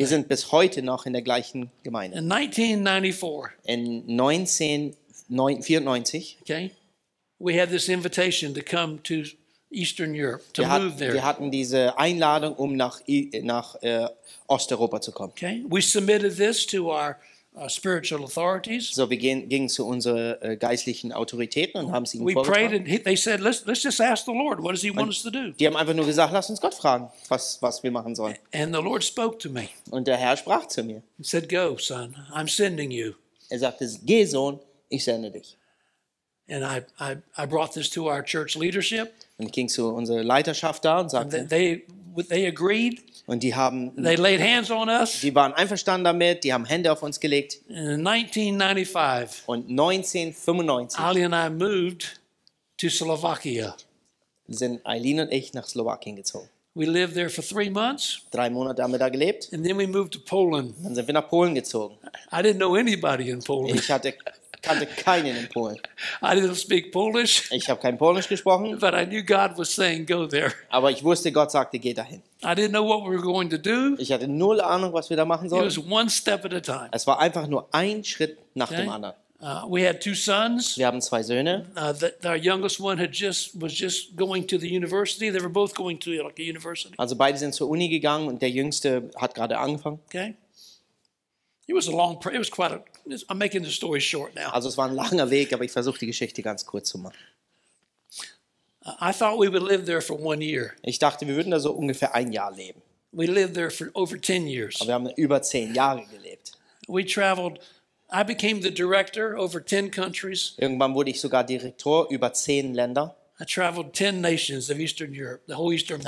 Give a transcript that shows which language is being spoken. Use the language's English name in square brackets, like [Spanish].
[German] Wir sind bis heute noch in der gleichen Gemeinde. [English] In 1994. Okay. We had this invitation to come to Eastern Europe to move there. [German] Wir hatten diese Einladung, um nach Osteuropa zu kommen. [English] Okay. We submitted this to our spiritual authorities. [German] So wir gingen zu unseren geistlichen Autoritäten und haben sie ihnen vorgetragen. [English] We prayed and they said, let's just ask the Lord, what does he want us to do? [German] Die haben einfach nur gesagt, lass uns Gott fragen, was wir machen sollen. [English] And the Lord spoke to me. [German] Und der Herr sprach zu mir. [English] He said, go, son, I'm sending you. [German] Er sagte, geh, Sohn, ich sende dich. [English] And I brought this to our church leadership. [German] Und ich ging zu unserer Leiterschaft da und sagte, [English] they agreed. [German] Und die haben, [English] they laid hands on us. [German] Die waren einverstanden damit, die haben Hände auf uns gelegt. [English] In 1995. [German] Und 1995. [English] Ali and I moved to Slovakia. [German] Sind Eileen und ich nach Slowakien gezogen. [English] We lived there for 3 months. [German] 3 Monate haben wir da gelebt. [English] And then we moved to Poland. [German] Dann sind wir nach Polen gezogen. [English] I didn't know anybody in Poland. [German] Ich kannte keinen in Polen. [English] I didn't speak Polish. [German] Ich habe kein Polnisch gesprochen. [English] But I knew God was saying, go there. [German] Aber ich wusste, Gott sagte, geh dahin. [English] I didn't know what we were going to do. [German] Ich hatte null Ahnung, was wir da machen sollten. [English] It was one step at a time. [German] Es war einfach nur ein Schritt nach dem anderen. [English] We had 2 sons. [German] Wir haben 2 Söhne. [English] Our youngest one was just going to the university. They were both going to like a university. [German] Also beide sind zur Uni gegangen und der Jüngste hat gerade angefangen. [English] Okay. It was a long. It was quite a. I'm making the story short now. [German] Also es war ein langer Weg, aber ich versuche die Geschichte ganz kurz zu machen. [English] I thought we would live there for 1 year. [German] Ich dachte, wir würden da so ungefähr ein Jahr leben. [English] We lived there for over 10 years. [German] Aber wir haben über 10 Jahre gelebt. [English] We traveled. I became the director over 10 countries. [German] Irgendwann wurde ich sogar Direktor über 10 Länder. [English] I traveled 10 nations of Eastern Europe, the whole Eastern Bloc.